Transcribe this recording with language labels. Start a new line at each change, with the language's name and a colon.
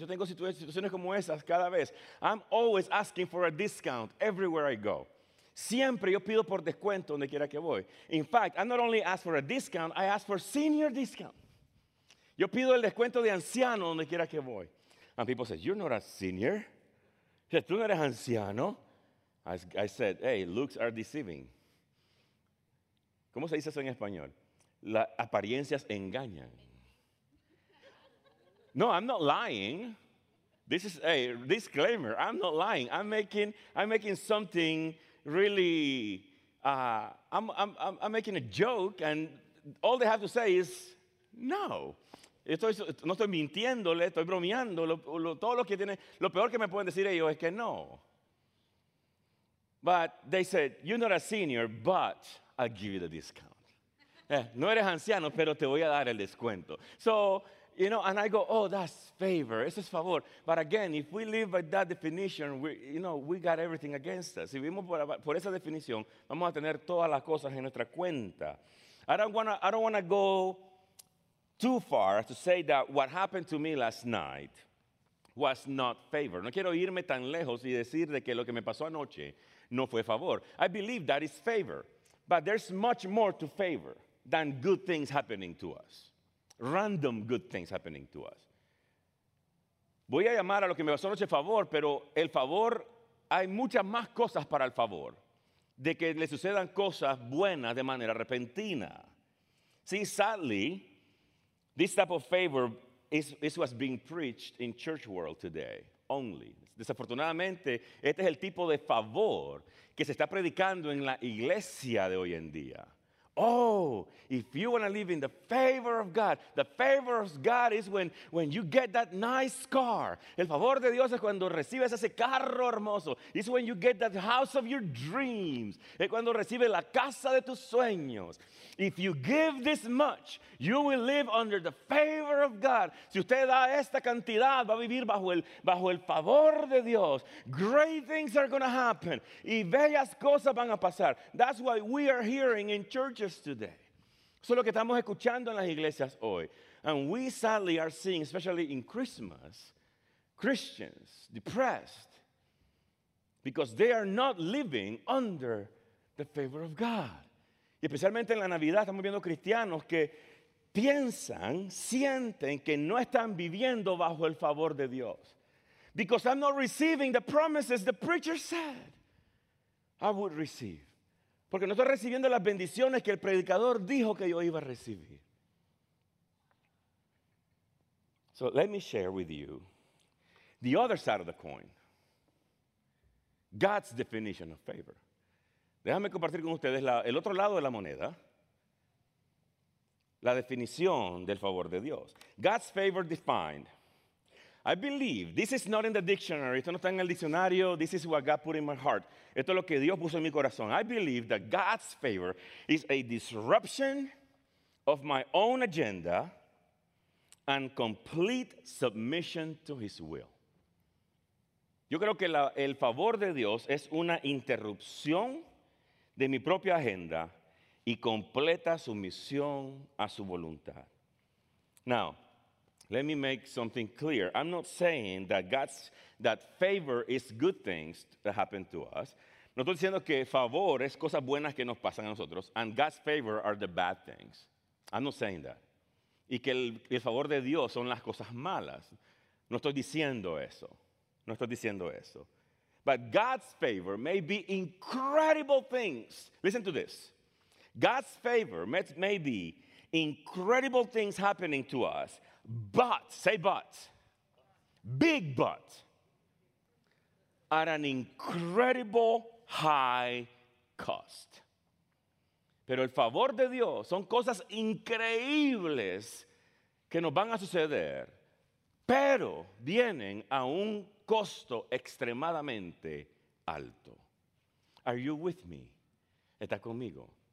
Spanish: Yo tengo situaciones como esas cada vez.
English: I'm always asking for a discount everywhere I go.
Spanish: Siempre yo pido por descuento donde quiera que voy.
English: In fact, I not only ask for a discount, I ask for senior discount.
Spanish: Yo pido el descuento de anciano donde quiera que voy.
English: And people say, you're not a senior.
Spanish: O sea, tú no eres anciano.
English: I said, hey, looks are deceiving.
Spanish: ¿Cómo se dice eso en español? Las apariencias engañan.
English: No, I'm not lying. This is a disclaimer. I'm not lying. I'm making something really, I'm making a joke and all they have to say is no.
Spanish: No estoy mintiéndole, estoy bromeando. Todo lo que tiene, lo peor que me pueden decir ellos es que no.
English: But they said, you're not a senior, but I'll give you the discount.
Spanish: No eres anciano, pero te voy a dar el descuento.
English: So, you know, and I go, oh, that's favor.
Spanish: Eso es favor.
English: But again, if we live by that definition, we got everything against us.
Spanish: Si vivimos por esa definición, vamos a tener todas las cosas en nuestra cuenta.
English: I don't wanna go too far to say that what happened to me last night was not favor.
Spanish: No quiero irme tan lejos y decir de que lo que me pasó anoche no fue favor.
English: I believe that is favor, but there's much more to favor than good things happening to us. Random good things happening to us.
Spanish: Voy a llamar a lo que me pasó anoche favor, pero el favor, hay muchas más cosas para el favor de que le sucedan cosas buenas de manera repentina.
English: See, sadly, this type of favor is what's being preached in church world today only.
Spanish: Desafortunadamente, este es el tipo de favor que se está predicando en la iglesia de hoy en día.
English: Oh, if you want to live in the favor of God is when you get that nice car.
Spanish: El favor de Dios es cuando recibes ese carro hermoso.
English: It's when you get that house of your dreams.
Spanish: Es cuando recibes la casa de tus sueños.
English: If you give this much, you will live under the favor of God.
Spanish: Si usted da esta cantidad, va a vivir bajo el favor de Dios.
English: Great things are going to happen.
Spanish: Y bellas cosas van a pasar.
English: That's why we are hearing in churches today.
Spanish: Eso es lo que estamos escuchando en las iglesias hoy.
English: And we sadly are seeing, especially in Christmas, Christians depressed because they are not living under the favor of God.
Spanish: Y especialmente en la Navidad estamos viendo cristianos que piensan, sienten que no están viviendo bajo el favor de Dios.
English: Because I'm not receiving the promises the preacher said I would receive.
Spanish: Porque no estoy recibiendo las bendiciones que el predicador dijo que yo iba a recibir.
English: So let me share with you the other side of the coin. God's definition of favor.
Spanish: Déjame compartir con ustedes el otro lado de la moneda. La definición del favor de Dios.
English: God's favor defined. I believe this is not in the dictionary.
Spanish: Esto no está en el diccionario.
English: This is what God put in my heart.
Spanish: Esto es lo que Dios puso en mi corazón.
English: I believe that God's favor is a disruption of my own agenda and complete submission to his will.
Spanish: Yo creo que el favor de Dios es una interrupción de mi propia agenda y completa sumisión a su voluntad.
English: Now, let me make something clear. I'm not saying that favor is good things that happen to us,
Spanish: No estoy diciendo que favor es cosas buenas que nos pasan a nosotros,
English: and God's favor are the bad things. I'm not saying that.
Spanish: Y que el favor de Dios son las cosas malas. No estoy diciendo eso.
English: No estoy diciendo eso. But God's favor may be incredible things. Listen to this. God's favor may be incredible things happening to us, but, say but, big but, at an incredible high cost.
Spanish: Pero el favor de Dios son cosas increíbles que nos van a suceder, pero vienen a un costo extremadamente alto.
English: Are you with me?
Spanish: ¿Está conmigo?